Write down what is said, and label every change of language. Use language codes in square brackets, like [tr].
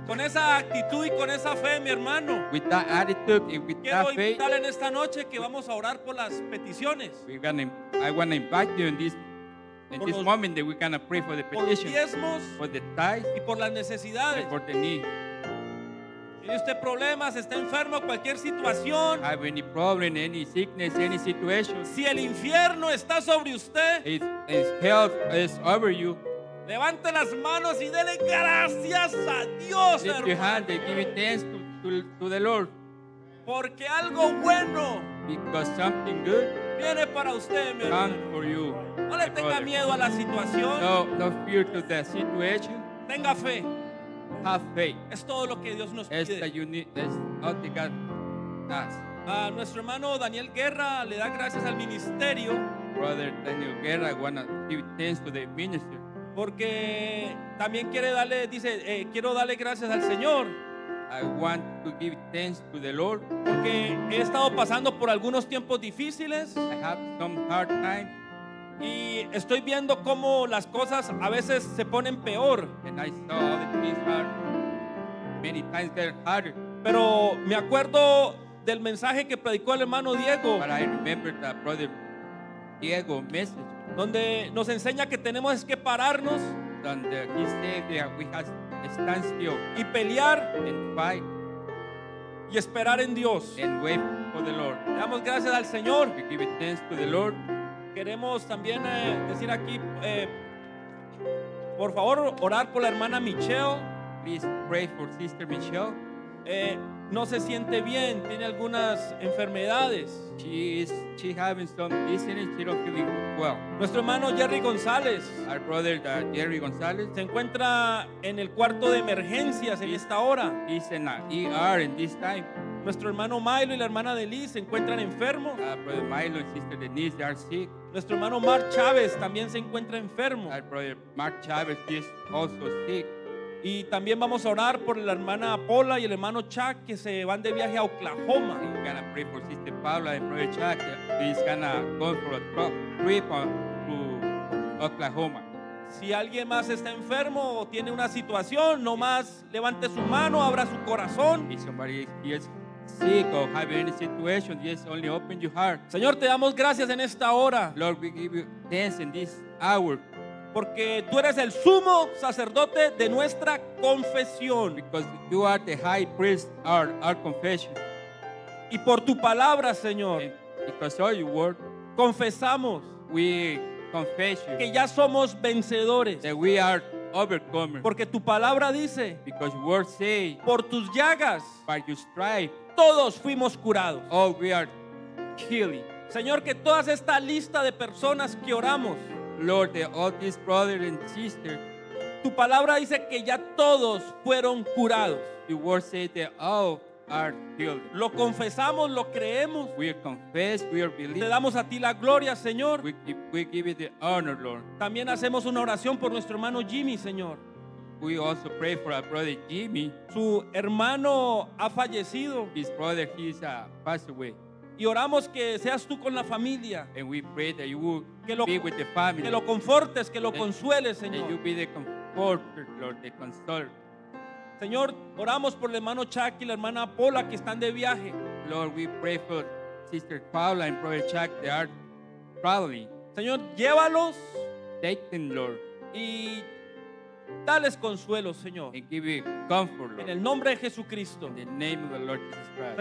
[es] Con esa actitud y con esa fe, mi hermano. [en] With that attitude and with that faith. [es] Quiero invitarle en esta noche que vamos a orar por las peticiones. [en] I want to invite you in this. In this moment that we're going to pray for the petition, [es] diezmos, [en] for the tithes, [es] y por las necesidades, [en] and for the need. [es] Si usted problemas, está enfermo, cualquier situación, [en] have any problem, any sickness, any situation. [es] Si el infierno está sobre usted, [en] his health is over you. [es] Levante las manos y dele gracias a Dios, [en] lift your hand and give thanks to the Lord. [es] Porque algo bueno, [en] because something good, [es] viene para usted, mi hermano. [en] Come for you. [es] No le tenga miedo a la situación. [en] No, no fear to the situation. [es] Tenga fe. [en] Have faith. [es] Es todo lo que Dios nos pide. [en] That you need, that's all that God does. [es] Nuestro hermano Daniel Guerra le da gracias al ministerio. [en] Brother Daniel Guerra, I want to give thanks to the ministry. [es] Porque también quiere darle, dice, quiero darle gracias al Señor. [en] I want to give thanks to the Lord. [es] Porque he estado pasando por algunos tiempos difíciles. [en] I have some hard time. [es] Y estoy viendo cómo las cosas a veces se ponen peor. [en] And I saw the things hard. Many times they're harder. [es] Pero me acuerdo del mensaje que predicó el hermano Diego. [en] But I remember that brother Diego message. [es] Donde nos enseña que tenemos que pararnos. [en] Donde he said that we have to stand still. [es] Y pelear. [en] And fight. [es] Y esperar en Dios. [en] And wait for the Lord. [es] Le damos gracias al Señor. [en] We give thanks to the Lord. [es] Queremos también decir aquí, por favor, orar por la hermana Michelle. [en] Please pray for Sister Michelle. [es] No se siente bien, tiene algunas enfermedades. [en] She having some disease, she don't feeling well. [es] Nuestro hermano Jerry González. [en] Our brother Jerry González. [es] Se encuentra en el cuarto de emergencias en esta hora. [en] He's in the ER in this time. [es] Nuestro hermano Milo y la hermana Denise se encuentran enfermos. [en] Brother Milo and Sister Denise, they are sick. [es] Nuestro hermano Mark Chávez también se encuentra enfermo. [en] Our brother Mark Chávez, he is also sick. [es] Y también vamos a orar por la hermana Paula y el hermano Chuck que se van de viaje a Oklahoma. [en] We're going to pray for Sister Paula and Brother Chuck. He's going to go for a trip to Oklahoma. [es] Si alguien más está enfermo o tiene una situación, no más levante su mano, abra su corazón. [en] If somebody is sick or have any situation, just only open your heart. [es] Señor, te damos gracias en esta hora. [en] Lord, we give you thanks in this hour. [es] Porque tú eres el sumo sacerdote de nuestra confesión. [en] Because you are the high priest of our confession. [es] Y por tu palabra, Señor, [en] because of your word, [es] confesamos, [en] we confess you, [es] que ya somos vencedores. [en] That we are overcomers. [es] Porque tu palabra dice, [en] because your word say, [es] por tus llagas, [en] by your stripes, [es] todos fuimos curados. [en] Oh, we are healing. [es] Señor, que toda esta lista de personas que oramos, [en] Lord, the all these brothers and sisters, [es] tu palabra dice que ya todos fueron curados. [en] Your word says that all are healed. [es] Lo confesamos, lo creemos. [en] We confess, we believe. [es] Te damos a ti la gloria, Señor. [en] We give you the honor, Lord. [es] También hacemos una oración por nuestro hermano Jimmy, Señor. [en] We also pray for our brother Jimmy. [es] Su hermano ha fallecido. [en] His brother, he's passed away. [es] Y oramos que seas tú con la familia. [en] And we pray that you will be with the family. [es] Que lo confortes, que lo consueles, Señor. [en] That you be the comforter, Lord, the consoler. [es] Señor, oramos por el hermano Chuck y la hermana Paula que están de viaje. [en] Lord, we pray for Sister Paula and Brother Chuck. They are traveling. [es] Señor, llévalos. [en] Take them, Lord. [es] Y dales consuelo, Señor. [en] And give you comfort, Lord. [es] En el nombre de Jesucristo. [en] In the name of the Lord Jesus Christ.